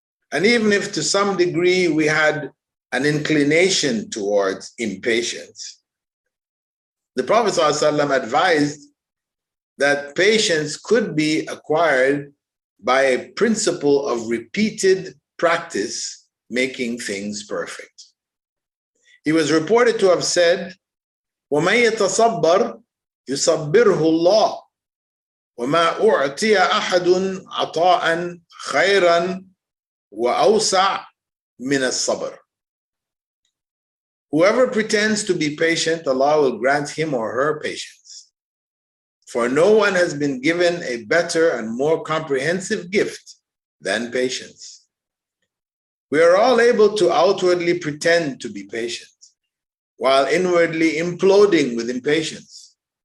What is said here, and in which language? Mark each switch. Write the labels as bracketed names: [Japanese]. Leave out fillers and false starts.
[English] And even if to some degree we had an inclination towards impatience, the Prophet ﷺ advised that patience could be acquired by a principle of repeated practice making things perfect. He was reported to have said, [Arabic] وَمَنْ يَتَصَبَّرْ يُصَبِّرْهُ اللَّهُ وَمَا أُعْتِيَ أَحَدٌ عَطَاءً خَيْرًا وَأَوْسَعْ مِنَ الصَّبْرِ. [English] Whoever pretends to be patient, Allah will grant him or her patience. For no one has been given a better and more comprehensive gift than patience. We are all able to outwardly pretend to be patient, while inwardly imploding with impatience.